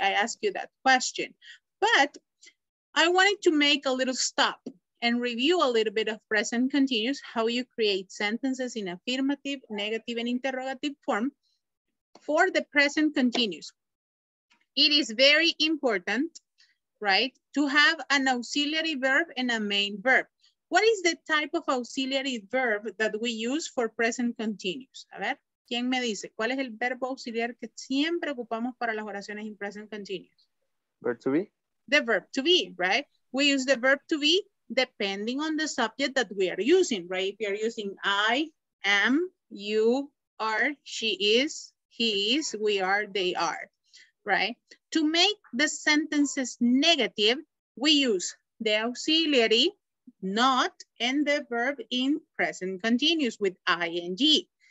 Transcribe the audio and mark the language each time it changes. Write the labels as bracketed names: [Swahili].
[English] I asked you that question. But I wanted to make a little stop and review a little bit of present continuous, how you create sentences in affirmative, negative, and interrogative form for the present continuous. It is very important, right, to have an auxiliary verb and a main verb. What is the type of auxiliary verb that we use for present continuous? [Spanish] A ver, ¿quién me dice? ¿Cuál es el verbo auxiliar que siempre ocupamos para las oraciones [English] in present continuous? Verb to be. The verb to be, right? We use the verb to be depending on the subject that we are using, right? If you are using I, am, you, are, she is, he is, we are, they are. Right? To make the sentences negative, we use the auxiliary, not, and the verb in present continuous with ing.